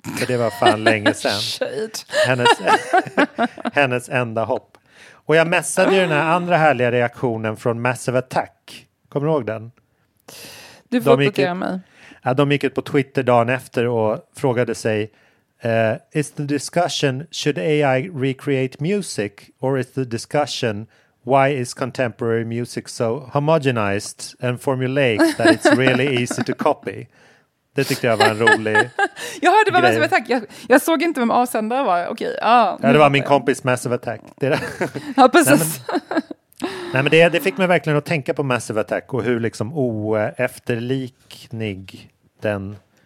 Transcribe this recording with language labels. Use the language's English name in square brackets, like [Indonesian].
[Swedish] För det var fan länge sedan. Shit. Hennes enda hopp. Och jag messade ju den här andra härliga reaktionen från Massive Attack. Kommer du ihåg den? Du får uppdatera mig. Ja, de gick ut på Twitter dagen efter och frågade sig... [English] is the discussion should AI recreate music or is the discussion why is contemporary music so homogenized and formulaic that it's really easy to copy? [Swedish] Det tyckte jag var en rolig jag hörde bara Massive Attack. Jag såg inte vem avsändare var. Okej. Ja, det var min kompis Massive Attack. Ja, precis. Nej, men det fick mig verkligen att tänka på Massive Attack och hur liksom oefterliknig den...